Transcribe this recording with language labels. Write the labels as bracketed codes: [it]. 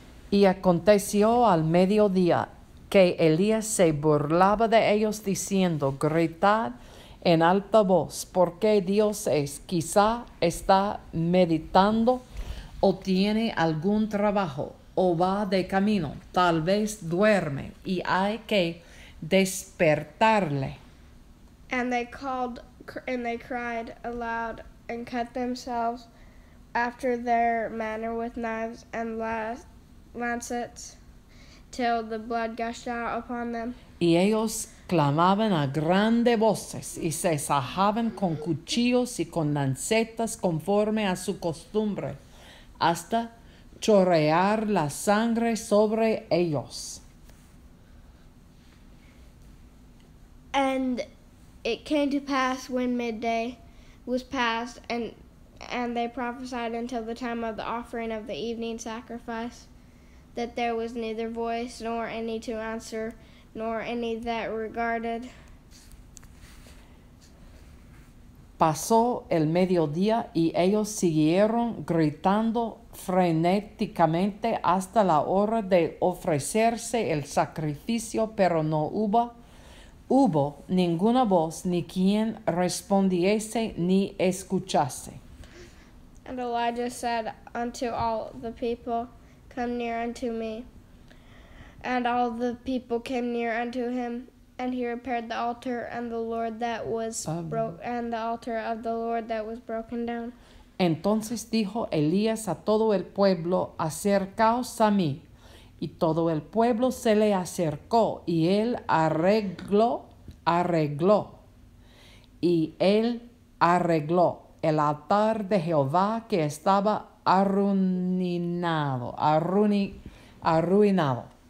[es] Y aconteció al mediodía que Elías se burlaba de ellos diciendo, gritad en alta voz, porque Dios es, quizá está meditando o tiene algún trabajo o va de camino, tal vez duerme y hay que despertarle. [en] And they called and they cried aloud and cut themselves after their manner with knives and lancets till the blood gushed out upon them. [es] Y ellos clamaban a grandes voces y se sajaban con cuchillos y con lancetas conforme a su costumbre hasta chorrear la sangre sobre ellos. [en] And it came to pass when midday was passed, and they prophesied until the time of the offering of the evening sacrifice, that there was neither voice nor any to answer, nor any that regarded. [es] Pasó el mediodía, y ellos siguieron gritando frenéticamente hasta la hora de ofrecerse el sacrificio, pero no hubo ninguna voz, ni quien respondiese, ni escuchase. [en] And Elijah said unto all the people, come near unto me. And all the people came near unto him, and he repaired the altar and the Lord that was and the altar of the Lord that was broken down. [es] Entonces dijo Elías a todo el pueblo, acercaos a mí. Y todo el pueblo se le acercó, y él arregló el altar de Jehová que estaba arruinado.